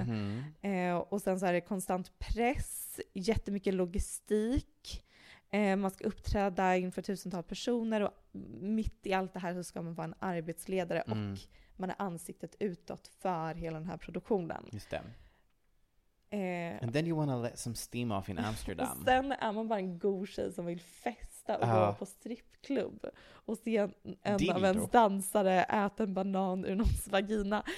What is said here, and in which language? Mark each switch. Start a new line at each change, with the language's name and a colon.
Swedish: Mm-hmm. Och sen så är det konstant press, jättemycket logistik. Man ska uppträda inför tusentals personer och mitt i allt det här så ska man vara en arbetsledare och man är ansiktet utåt för hela den här produktionen. Just det.
English: And then you wanna let some steam off in Amsterdam.
Swedish: Och sen är man bara en god tjej som vill festa. Och gå på strippklubb och se en Dildo. Av ens dansare äta en banan ur någons vagina.